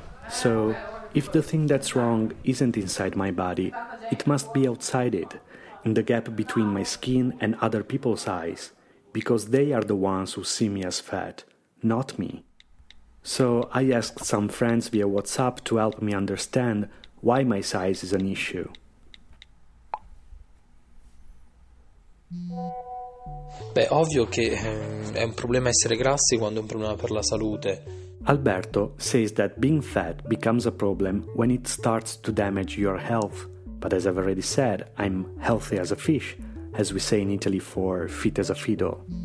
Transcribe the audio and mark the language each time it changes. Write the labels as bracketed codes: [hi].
[en] So, if the thing that's wrong isn't inside my body, it must be outside it, in the gap between my skin and other people's eyes, because they are the ones who see me as fat, not me. So, I asked some friends via WhatsApp to help me understand why my size is an issue. [it] Beh, ovvio che è un problema essere grassi quando è un problema per la salute. [en] Alberto says that being fat becomes a problem when it starts to damage your health. But as I've already said, I'm healthy as a fish, as we say in Italy for fit as a fiddle.